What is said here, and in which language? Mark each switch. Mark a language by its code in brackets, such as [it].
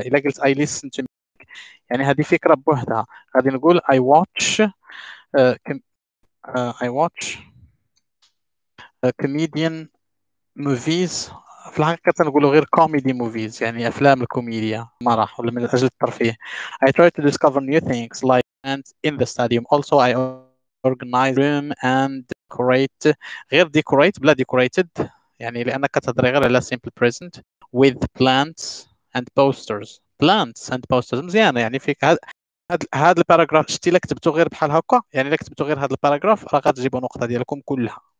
[ar] إذا قلت [en] I listen to music. [ar] يعني هادي فكرة بوحدها. غادي نقول [en] I watch. I watch comedian movies. [ar] في الحقيقة نقوله غير [en] comedy movies، [ar] يعني أفلام الكوميديا مرح ولا من أجل الترفيه. [en] I try to discover new things like and in the stadium. Also I organize room and decorate. غير decorate بلا decorated، [ar] يعني لأنك تدري غير على [en] simple present with plants and posters. Plants and posters [ar] مزيانة، يعني فيك هاد الباراجراف شتي لك كتبته غير بحال هكا، يعني لك كتبته غير هاد الباراجراف راه غتجيبوا النقطه ديالكم كلها.